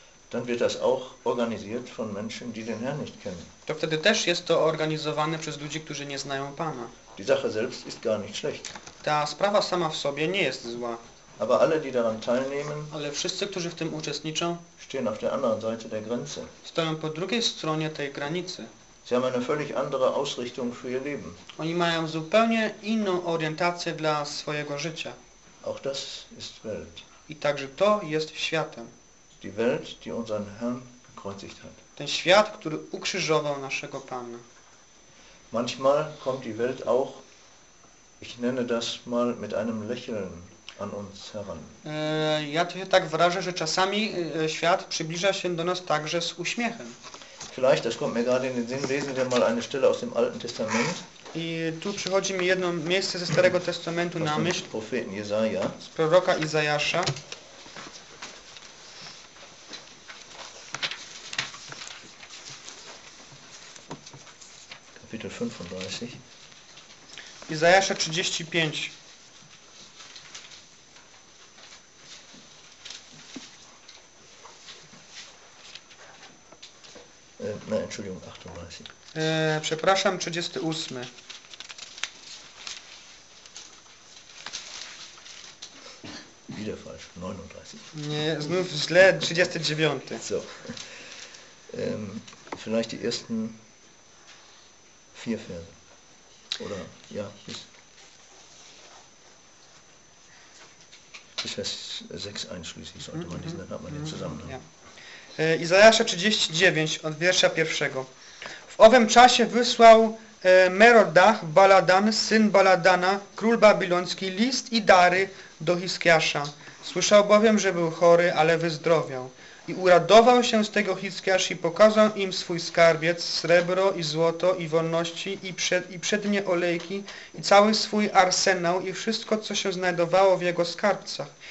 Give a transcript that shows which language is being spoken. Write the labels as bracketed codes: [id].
[de] dann wird das auch organisiert von Menschen, die den Herrn nicht kennen. [pl] To wtedy też jest to organizowane przez ludzi, którzy nie znają Pana. [de] Die Sache selbst ist gar nicht schlecht. [pl] Ta sprawa sama w sobie nie jest zła. [de] Aber alle, die daran teilnehmen, [pl] ale wszyscy, którzy w tym uczestniczą, [de] stehen auf der anderen Seite der Grenze. [pl] Stoją po drugiej stronie tej granicy. [de] Sie haben eine völlig andere Ausrichtung für ihr Leben. [pl] Oni mają zupełnie inną orientację dla swojego życia. [de] Auch das ist Welt. [pl] I także to jest światem. [de] Die Welt, die unseren Herrn gekreuzigt hat. [pl] Ten świat, który ukrzyżował naszego Pana. [de] Manchmal kommt die Welt auch, ich nenne das mal mit einem Lächeln. An uns heran. [pl] Ja to się tak wyrażę, że czasami świat przybliża się do nas także z uśmiechem. [de] Vielleicht, das kommt mir gerade in den Sinn, lesen wir mal eine Stelle aus dem Alten Testament. [pl] I tu przychodzi mi jedno miejsce ze Starego Testamentu na myśl. Z profeta Jesaja. Z proroka Izajasza. [de] Kapitel 35. [pl] Izajasza 35. [de] Nein, Entschuldigung, 38. [pl] Przepraszam, 38. [de] Wieder falsch, 39. [pl] Nie, znów źle, 39. [de] So. Vielleicht die ersten vier Verse. Oder, ja, bis Vers 6 einschließlich sollte man diesen, dann hat man den Zusammenhang. Ja. [pl] Izajasza 39, od wiersza pierwszego. W owym czasie wysłał Merodach Baladan, syn Baladana, król babiloński, list i dary do Hiskiasza. Słyszał bowiem, że był chory, ale wyzdrowiał. I uradował się z tego Hiskiasz i pokazał im swój skarbiec, srebro i złoto i wolności i przednie olejki i cały swój arsenał i wszystko, co się znajdowało w jego skarbcach.